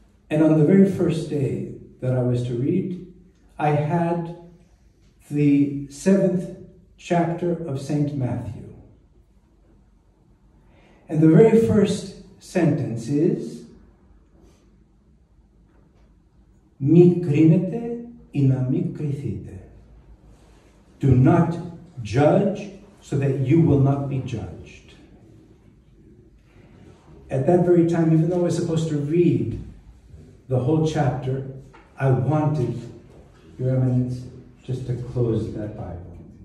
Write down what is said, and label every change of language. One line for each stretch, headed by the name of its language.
English: And on the very first day that I was to read, I had the seventh chapter of Saint Matthew. And the very first sentence is,
Greek: Μη κρίνετε ή να μη κριθείτε.
English: Do not judge so that you will not be judged. At that very time, even though I was supposed to read the whole chapter, I wanted, Your Eminence, just to close that Bible.